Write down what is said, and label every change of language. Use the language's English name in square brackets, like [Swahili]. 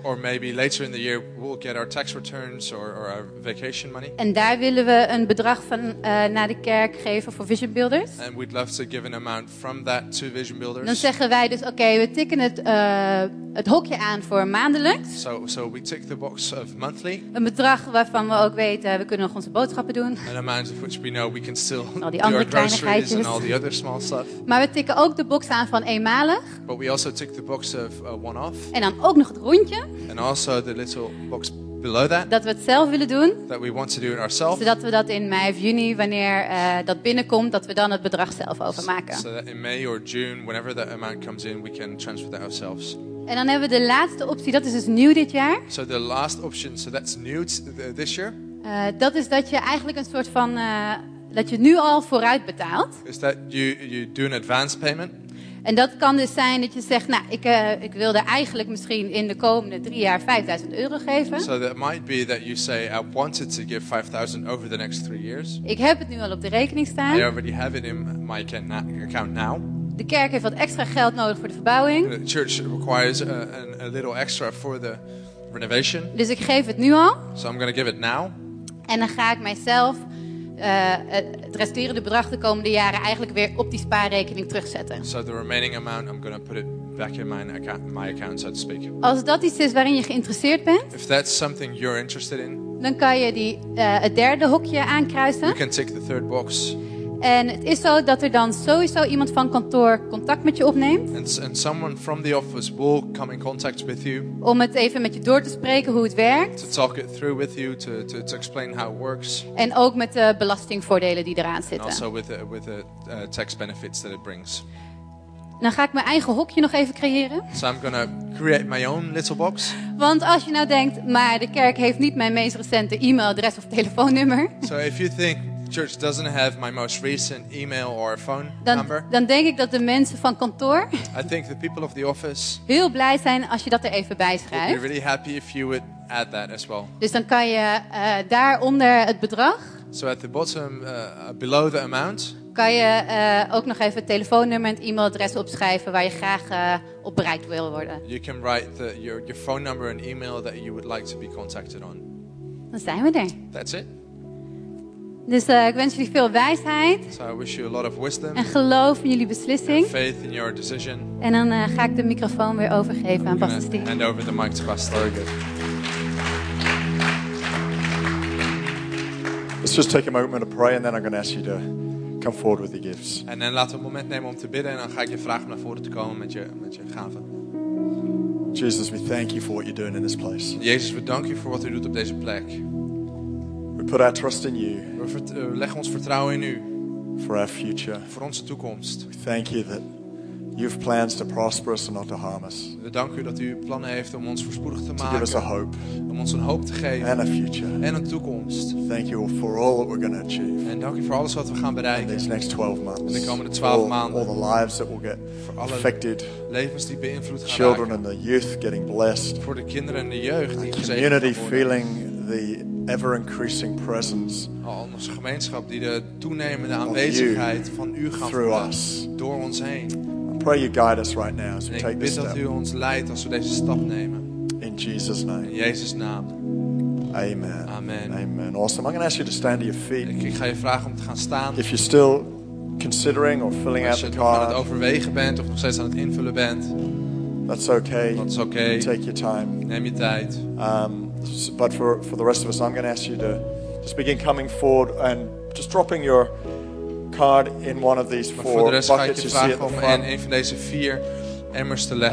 [English] Or maybe later in the year we'll get our tax returns or our vacation money. [Dutch] En daar willen we een bedrag van naar de kerk geven voor Vision Builders. [English] And we'd love to give an amount from that to Vision Builders. [Dutch] Dan zeggen wij dus okay, we tikken het hokje aan voor maandelijks. [English] So we tick the box of monthly. [Dutch] Een bedrag waarvan we ook weten we kunnen nog onze boodschappen doen. [English] An amount of which we know we can still [Dutch] al die andere [English] do our groceries [Dutch] kleine [English] and all the other small stuff. [Dutch] Maar we tikken ook de box aan van eenmalig. [English] But we also tick the box of one-off. [Dutch] En dan ook nog het rondje. [English] And also the little box below that, [Dutch] dat we het zelf willen doen. [English] That we want to do it ourselves. [Dutch] Zodat we dat in mei of juni, wanneer dat binnenkomt, dat we dan het bedrag zelf overmaken. [English] So that in May or June, whenever that amount comes in, we can transfer that ourselves. [Dutch] En dan hebben we de laatste optie, dat is dus nieuw dit jaar. [English] So the last option, so that's new this year. [Dutch] Dat is dat je eigenlijk een soort van, dat je nu al vooruit betaalt. [English] Is that you do an advance payment. [Dutch] En dat kan dus zijn dat je zegt, nou, ik wilde eigenlijk misschien in de komende 3 jaar 5000 euro geven. [English] So that might be that you say, I wanted to give 5000 over the next 3 years. [Dutch] Ik heb het nu al op de rekening staan. [English] I already have it in my account now. [Dutch] De kerk heeft wat extra geld nodig voor de verbouwing. [English] The church requires a little extra for the renovation. [Dutch] Dus ik geef het nu al. [English] So I'm going to give it now. [Dutch] En dan ga ik mijzelf het resterende bedrag de komende jaren eigenlijk weer op die spaarrekening terugzetten. [English] So the remaining amount I'm going to put it back in my account, so to speak. [Dutch] Als dat iets is waarin je geïnteresseerd bent, [English] if that's something you're interested in, [Dutch] dan kan je die het derde hokje aankruisen. [English] You can tick the third box. [Dutch] En het is zo dat er dan sowieso iemand van kantoor contact met je opneemt. [English] And someone from the office will come in contact with you. [Dutch] Om het even met je door te spreken hoe het werkt. [English] To talk it through with you, to explain how it works. [Dutch] En ook met de belastingvoordelen die eraan zitten. [English] And also with the tax benefits that it brings. [Dutch] Dan ga ik mijn eigen hokje nog even creëren. [English] So I'm gonna create my own little box. [Dutch] Want als je nou denkt, maar de kerk heeft niet mijn meest recente e-mailadres of telefoonnummer. [English] So if you think church doesn't have my most recent email or phone number. [Dutch] Dan denk ik dat de mensen van kantoor [English] I think the people of the office [Dutch] heel blij zijn als je dat er even bij schrijft. [English] Would be really happy if you would add that as well. [Dutch] Dus dan kan je daaronder het bedrag [English] so at the bottom below the amount [Dutch] kan je ook nog even het telefoonnummer en het e-mailadres opschrijven waar je graag op bereikt wil worden. [English] You can write your phone number and email that you would like to be contacted on. [Dutch] Dan zijn we er. [English] That's it. [Dutch] Dus ik wens jullie veel wijsheid. [English] So I wish you a lot of wisdom, [Dutch] en geloof in jullie beslissing. [English] And faith in your decision. [Dutch] En dan ga ik de microfoon weer overgeven aan Pastor Steve. [English] Hand over the mic to Pastor. Very good. Let's just take a moment to pray and then I'm going to ask you to come forward with your gifts. [Dutch] En dan laten we een moment nemen om te bidden en dan ga ik je vragen om naar voren te komen met je gaven. [English] Jesus, we thank you for what you're doing in this place. [Dutch] Jezus, we danken u voor wat u doet op deze plek. [English] We put our trust in you. [Dutch] We leggen ons vertrouwen in u. [English] For our future. [Dutch] Voor onze toekomst. [English] We thank you that you have plans to prosper us and not to harm us. [Dutch] We danken u dat u plannen heeft om ons voorspoedig te maken. [English] To give us a hope. [Dutch] Om ons een hoop te geven. [English] And a future. [Dutch] En een toekomst. [English] Thank you for all that we're going to achieve. [Dutch] En dank u voor alles wat we gaan bereiken. [English] In these next 12 months. [Dutch] In de komende 12 maanden. [English] All the lives that will get affected. [Dutch] Levens die beïnvloed gaan [English] children [Dutch] raken. [English] And the youth getting blessed. [Dutch] Voor de kinderen en de jeugd die gezegend worden. [English] The community feeling the ever increasing presence. [Dutch] Al onze gemeenschap die de toenemende aanwezigheid van u gaat [English] through us [Dutch] door ons heen. [English] I pray you guide us right now as we take this step. [Dutch] Ik bid dat u ons leidt als we deze stap nemen. [English] In Jesus' name. [Dutch] In Jezus naam. [English] Amen. [Dutch] Amen. [English] Amen. Awesome. I'm going to ask you to stand to your feet. [Dutch] Ik ga je vragen om te gaan staan. [English] If you're still considering or filling out the card. [Dutch] Als je nog aan het overwegen bent of nog steeds aan het invullen bent. [English] That's okay. That's okay. Take your time. [Dutch] Neem je tijd. [English] But for the rest of us, I'm going to ask you to just begin coming forward and just dropping your card in one of these four buckets you see at the front. [Dutch] En een van deze vier emmers te leggen.